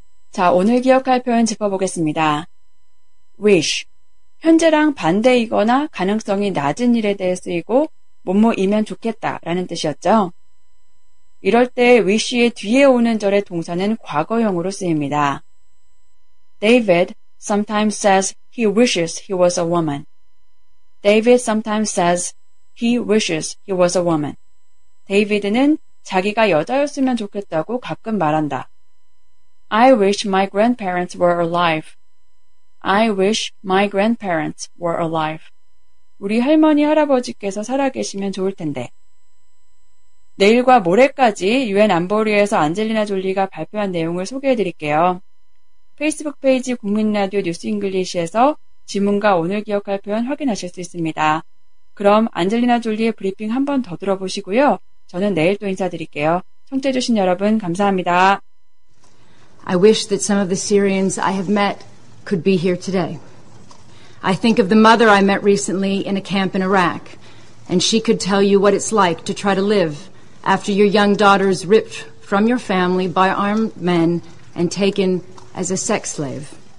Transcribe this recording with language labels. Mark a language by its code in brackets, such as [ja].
[ko] 자, 오늘 기억할 표현 짚어보겠습니다. wish, 현재랑 반대이거나 가능성이 낮은 일에 대해 쓰이고 뭐뭐이면 좋겠다 라는 뜻이었죠. 이럴 때 wish의 뒤에 오는 절의 동사는 과거형으로 쓰입니다. [en] David sometimes says he wishes he was a woman. David sometimes says he wishes he was a woman. [ko] 데이비드는 자기가 여자였으면 좋겠다고 가끔 말한다. [en] I wish my grandparents were alive. I wish my grandparents were alive. [ko] 우리 할머니, 할아버지께서 살아계시면 좋을 텐데. 내일과 모레까지 UN 안보리에서 안젤리나 졸리가 발표한 내용을 소개해드릴게요. 페이스북 페이지 국민라디오 뉴스 잉글리시에서 지문과 오늘 기억할 표현 확인하실 수 있습니다. 그럼 안젤리나 졸리의 브리핑 한 번 더 들어보시고요. 저는 내일 또 인사드릴게요. 청취해주신 여러분 감사합니다. [en] I wish that some of the Syrians I have met could be here today. I think of the mother I met recently in a camp in Iraq, and she could tell you what it's like to try to live after your young daughter is ripped from your family by armed men and taken as a sex slave.